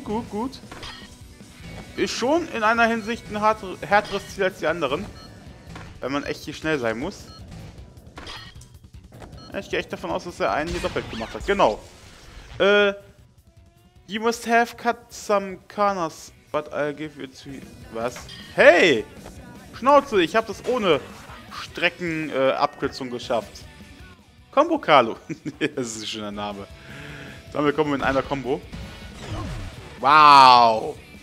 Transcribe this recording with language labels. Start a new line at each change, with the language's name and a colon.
German: Gut. Ist schon in einer Hinsicht ein härteres Ziel als die anderen. Weil man echt hier schnell sein muss. Ich gehe echt davon aus, dass er einen hier doppelt gemacht hat. Genau.
English: You must have cut some corners, but I'll give you to...
German: Was? Hey! Schnauze, ich habe das ohne Streckenabkürzung geschafft. Combo Carlo. Das ist ein schöner Name. Dann bekommen wir in einer Combo. Wow!